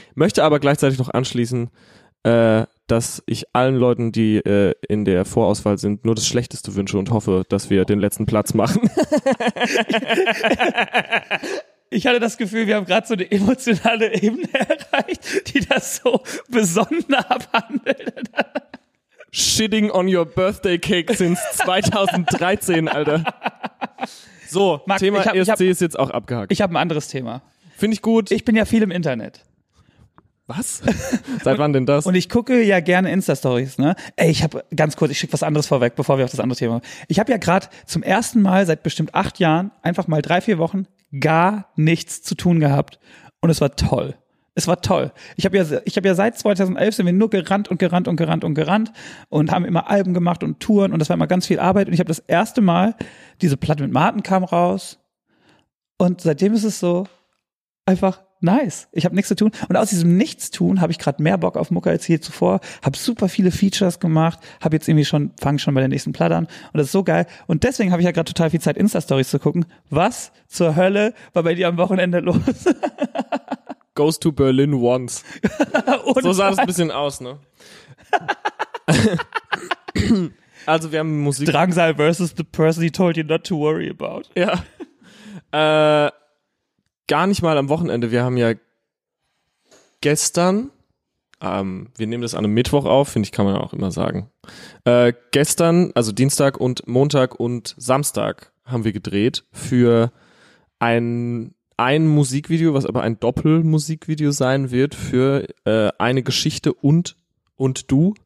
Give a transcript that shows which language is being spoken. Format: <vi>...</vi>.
<de>Möchte aber gleichzeitig noch anschließen, dass ich allen Leuten, die in der Vorauswahl sind, nur das Schlechteste wünsche und hoffe, dass wir den letzten Platz machen. Ich hatte das Gefühl, wir haben gerade so eine emotionale Ebene erreicht, die das so besonnen abhandelt.</de> <en>Shitting on your birthday cake since 2013, Alter.</en> <de>So, Marc, Thema ESC ist jetzt auch abgehakt. Ich habe ein anderes Thema. Finde ich gut. Ich bin ja viel im Internet. Was? Seit wann denn das? Und ich gucke ja gerne Insta-Stories, ne? Ey, ich habe ganz kurz, ich schicke was anderes vorweg, bevor wir auf das andere Thema. Ich habe ja gerade zum ersten Mal seit bestimmt 8 Jahren, einfach mal 3-4 Wochen, gar nichts zu tun gehabt. Und es war toll. Es war toll. Ich habe ja seit 2011 sind wir nur gerannt und haben immer Alben gemacht und Touren und das war immer ganz viel Arbeit und ich habe das erste Mal, diese Platte mit Marten kam raus und seitdem ist es so einfach nice. Ich habe nichts zu tun und aus diesem Nichtstun habe ich gerade mehr Bock auf Mucke als je zuvor, habe super viele Features gemacht, habe jetzt irgendwie schon, fange schon bei der nächsten Platte an und das ist so geil und deswegen habe ich ja gerade total viel Zeit Insta-Stories zu gucken. Was zur Hölle war bei dir am Wochenende los?</de> <en>Goes to Berlin once.</en> <de>So sah das ein bisschen aus, ne? Also wir haben Musik.</de> <en>Drangsal versus the person he told you not to worry about.</en> <de>Ja. Gar nicht mal am Wochenende. Wir haben ja gestern, wir nehmen das an einem Mittwoch auf, finde ich, kann man auch immer sagen. Gestern, also Dienstag und Montag und Samstag haben wir gedreht für ein Musikvideo, was aber ein Doppelmusikvideo sein wird für eine Geschichte und du.</de>